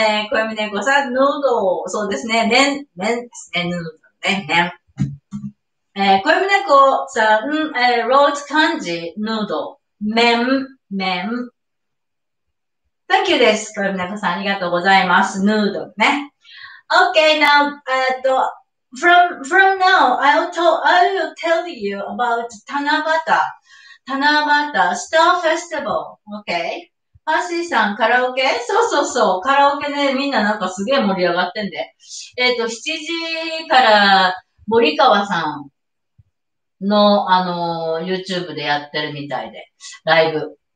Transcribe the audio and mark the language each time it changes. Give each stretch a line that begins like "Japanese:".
Japanese: 小泉猫さん、ヌードル、そうですね、麺、麺ですね、ヌードル、麺。小泉猫さん、
English: wrote
Japanese: 漢字、ヌードル、麺、麺。
English: Thank you
Japanese: です。小梅子さん、ありがとうございます。ヌードルね。
English: Okay, now, from now, I'll tell you about 七夕。七夕、Star Festival. Okay?
Japanese: パーシーさん、カラオケ？そうそうそう。カラオケね、みんななんかすげえ盛り上がってんで。 7時から森川さんの、YouTube でやってるみたいで、ライブ。